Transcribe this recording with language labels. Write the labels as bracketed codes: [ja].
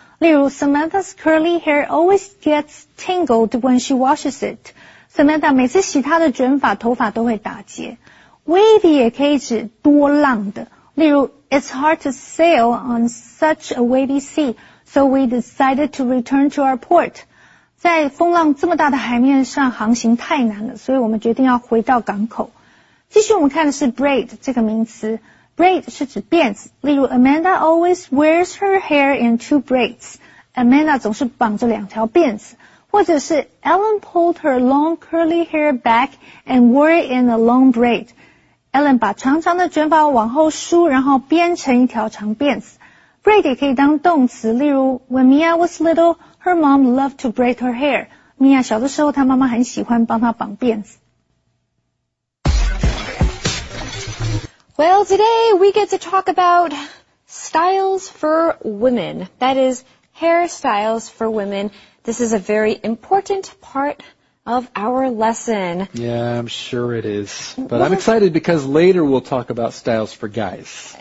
[zh] 例如 [en] Samantha's curly hair always gets tangled when she washes it. [zh] Samantha 每次洗她的卷发头发都会打结。Wavy 也可以指多浪的。例如 [en] It's hard to sail on such a wavy sea, so we decided to return to our port. [zh] 在风浪这么大的海面上航行太难了，所以我们决定要回到港口。继续我们看的是 braid 这个名词。Braid 是指辫子。例如 [en] Amanda always wears her hair in two braids. Amanda [zh] 总是绑着两条辫子。或者是 [en] Ellen pulled her long curly hair back and wore it in a long braid. [zh] Ellen 把长长的卷发往后梳，然后编成一条长辫子。 [en] Braid [zh] 也可以当动词，例如 [en] When Mia was little, her mom loved to braid her hair. [zh] Mia 小的时候，她妈妈很喜欢帮她绑辫子。 [en] Well, today we get to talk about styles for women. That is, hairstyles for women. This is a very important part of our lesson. Yeah, I'm sure it is. But I'm excited because later we'll talk about styles for guys.